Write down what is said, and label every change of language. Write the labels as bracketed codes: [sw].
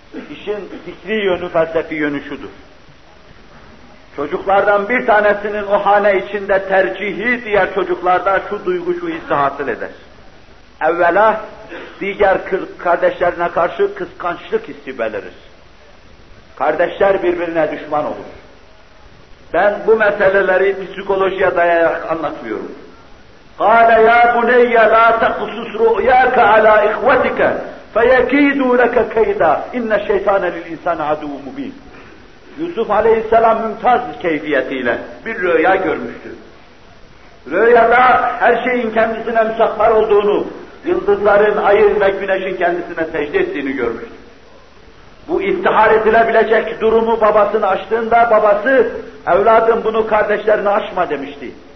[tr] İşin fikri yönü, felsefi yönü şudur. Çocuklardan bir tanesinin o hane içinde tercihi diğer çocuklarda şu duygu, şu hissi hasıl eder. Evvela diğer kardeşlerine karşı kıskançlık hissi belirir. Kardeşler birbirine düşman olur. Ben bu meseleleri psikolojiye dayayarak anlatmıyorum. [ar] قَالَ يَا بُنَيَّ لَا تَقْصُصْ رُؤْيَاكَ عَلَى اِخْوَتِكَ فَيَكِيدُوا لَكَ كَيْدًا اِنَّ الشَّيْطَانَ لِلْاِنْسَانَ عَدُوُ مُب۪ينَ [tr] Yusuf Aleyhisselam mümtaz keyfiyetiyle bir rüya görmüştü. Rüyada her şeyin kendisine müsahhar olduğunu, yıldızların, ayın ve güneşin kendisine secde ettiğini görmüştü. Bu iftihar edilebilecek durumu babasını açtığında babası, evladım bunu kardeşlerine açma demişti.